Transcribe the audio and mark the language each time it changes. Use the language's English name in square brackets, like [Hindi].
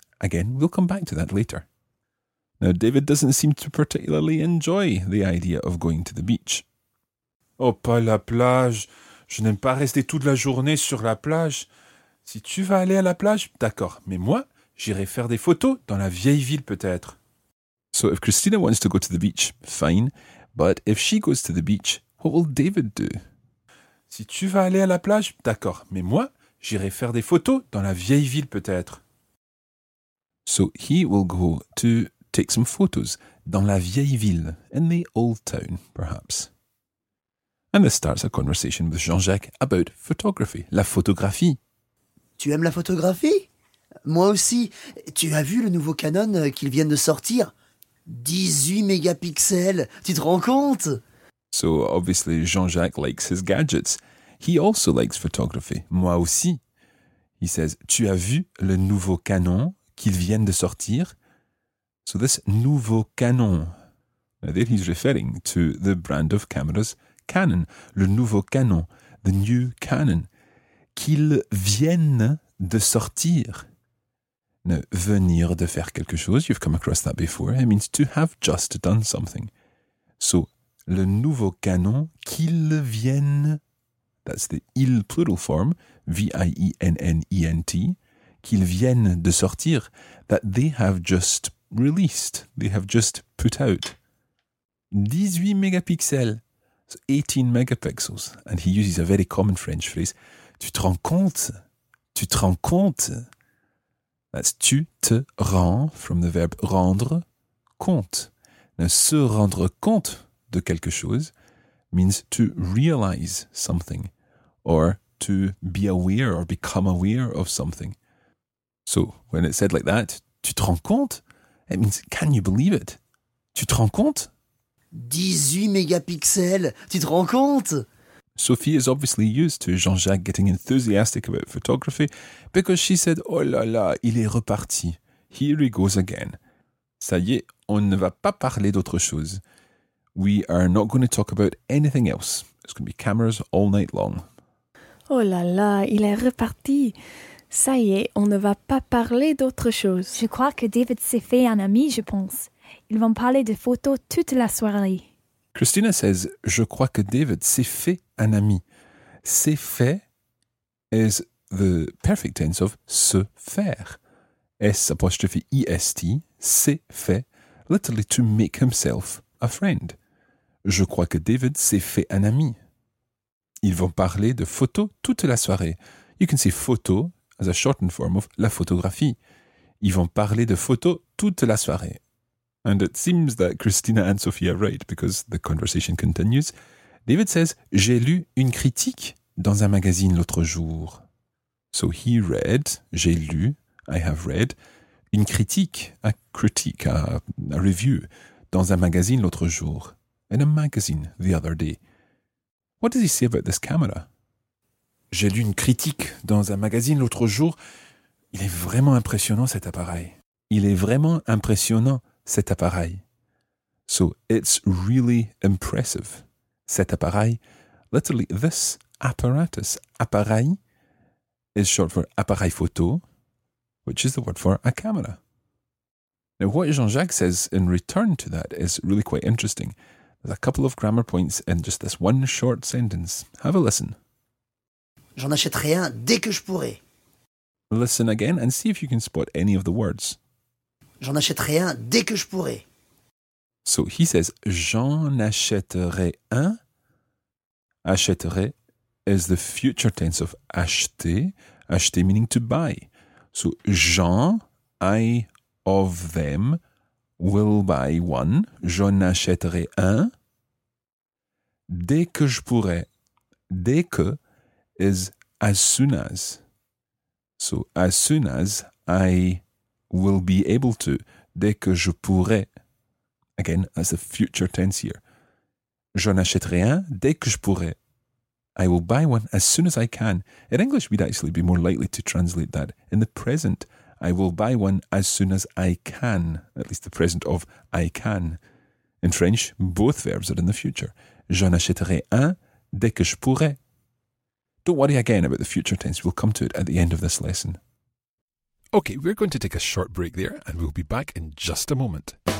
[English] Again, we'll come back to that later. Now, David doesn't seem to particularly enjoy the idea of going to the beach. [French] Oh, pas la plage. Je n'aime pas rester toute la journée sur la plage. Si tu vas aller à la plage, d'accord. Mais moi, j'irai faire des photos dans la vieille ville, peut-être. [English] So, if Christina wants to go to the beach, fine. But if she goes to the beach, what will David do? [French] Si tu vas aller à la plage, d'accord. Mais moi, j'irai faire des photos dans la vieille ville, peut-être. [English] So he will go to take some photos [French] dans la vieille ville, [English] in the old town, perhaps. And this starts a conversation with Jean-Jacques about photography, la photographie. [French] Tu aimes la photographie? Moi aussi. Tu as vu le nouveau Canon qu'ils viennent de sortir? 18 mégapixels, tu te rends compte? [English] So obviously Jean-Jacques likes his gadgets. He also likes photography. [French] Moi aussi. [English] He says, [French] tu as vu le nouveau Canon? Qu'ils viennent de sortir. [English] So this [French] nouveau canon. [English] Now there he's referring to the brand of cameras, Canon. [French] Le nouveau canon, [English] the new Canon. [French] Qu'ils viennent de sortir. [English] Now, [French] venir de faire quelque chose, [English] you've come across that before. It means to have just done something. [French] So, le nouveau canon, qu'ils viennent. [English] That's the il plural form, V-I-E-N-N-E-N-T. [French] Qu'ils viennent de sortir, [English] that they have just released, they have just put out. 18 mégapixels, so 18 megapixels. And he uses a very common French phrase, [French] tu te rends compte, tu te rends compte. [English] That's [French] tu te rends, [English] from the verb rendre, compte. Now, [French] se rendre compte de quelque chose [English] means to realize something, or to be aware or become aware of something. So, when it's said like that, [French] tu te rends compte? [English] It means, can you believe it? [French] Tu te rends compte? 18 mégapixels, tu te rends compte? [English] Sophie is obviously used to Jean-Jacques getting enthusiastic about photography because she said, [French] oh là là, il est reparti. [English] Here he goes again. [French] Ça y est, on ne va pas parler d'autre chose. [English] We are not going to talk about anything else. It's going to be cameras all night long. [French] Oh là là, il est reparti. Ça y est, on ne va pas parler d'autre chose. Je crois que David s'est fait un ami, je pense. Ils vont parler de photos toute la soirée. [English] Christina says, [French] je crois que David s'est fait un ami. S'est fait [English] is the perfect tense of [French] se faire. [English] S apostrophe E-S-T, [French] s'est fait, [English] literally to make himself a friend. [French] Je crois que David s'est fait un ami. Ils vont parler de photos toute la soirée. [English] You can say photo as a shortened form of la photographie. [French] Ils vont parler de photos toute la soirée. [English] And it seems that Christina and Sophie are right, because the conversation continues. David says, [French] j'ai lu une critique dans un magazine l'autre jour. [English] So he read, [French] j'ai lu, [English] I have read, [French] une critique, [English] a review, [French] dans un magazine l'autre jour. [English] In a magazine, the other day. What does he say about this camera? [French] J'ai lu une critique dans un magazine l'autre jour. Il est vraiment impressionnant cet appareil. Il est vraiment impressionnant cet appareil. [English] So, it's really impressive. [French] Cet appareil, [English] literally this apparatus. Appareil is short for [French] appareil photo, [English] which is the word for a camera. Now, what Jean-Jacques says in return to that is really quite interesting. There's a couple of grammar points in just this one short sentence. Have a listen. [French] J'en achète rien dès que je pourrai. [English] Listen again and see if you can spot any of the words. [French] J'en achète rien dès que je pourrai. [English] So he says, [French] j'en achèterai un. [English] Achèterai is the future tense of acheter. Acheter meaning to buy. So [French] j'en, [English] I of them, will buy one. [French] J'en achèterai un. Dès que je pourrai. Dès que [English] is as soon as. So as soon as I will be able to. [French] Dès que je pourrai. [English] Again, as a future tense here. [French] J'en achèterai un dès que je pourrai. [English] I will buy one as soon as I can. In English, we'd actually be more likely to translate that in the present. I will buy one as soon as I can. At least the present of I can. In French, both verbs are in the future. [French] J'en achèterai un dès que je pourrai. [English] Don't worry again about the future tense. We'll come to it at the end of this lesson. Okay, we're going to take a short break there and we'll be back in just a moment.